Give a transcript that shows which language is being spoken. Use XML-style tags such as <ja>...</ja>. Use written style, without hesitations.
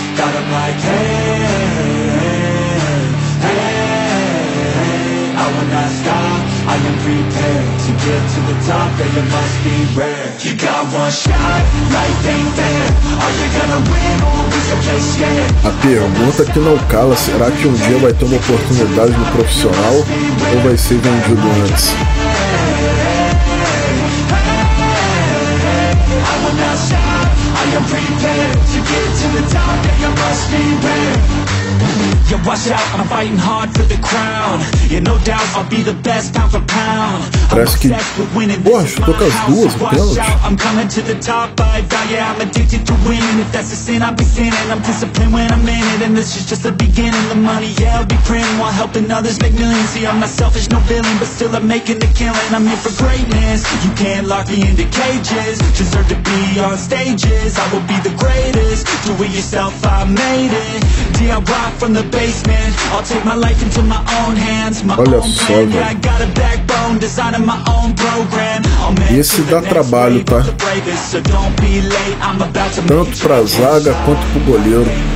<en>Got up like hey. I will not stop, I am prepared to get to the top, and you must be rare. You got one shot, life ain't fair. Are you gonna win or will you play scared?</en> <pt>A pergunta que não cala, será que um dia vai ter uma oportunidade no profissional ou vai ser vendido antes?</pt> <en>I am prepared to get to the top, and you must be rare. Yo, I Watch out, I'm fighting hard for the crown. Yeah, no doubt I'll be the best pound for pound.</en> <pt>Parece que... Porra, chutou com as duas, o pênalti.</pt> <en>I'm coming to the top, I value, yeah, I'm addicted to winning. If that's the sin I'll be sinning, I'm disciplined when I'm in it. And this is just the beginning, the money, yeah, I'll be printing while helping others make millions. See, I'm not selfish, no villain, but still I'm making a killing. I'm here for greatness, you can't lock me into cages. Deserve to be on stages, I will be the greatest. Do it yourself, I made it. DIY from the basement, I'll take my life into my own hands. My</en> <pt>Olha</pt> <en>own</en> <pt>só,</pt> <en>plan, yeah, I got a backbone, design of my own.</en> <pt>Esse dá trabalho, tá? Tanto pra zaga quanto pro goleiro.</pt>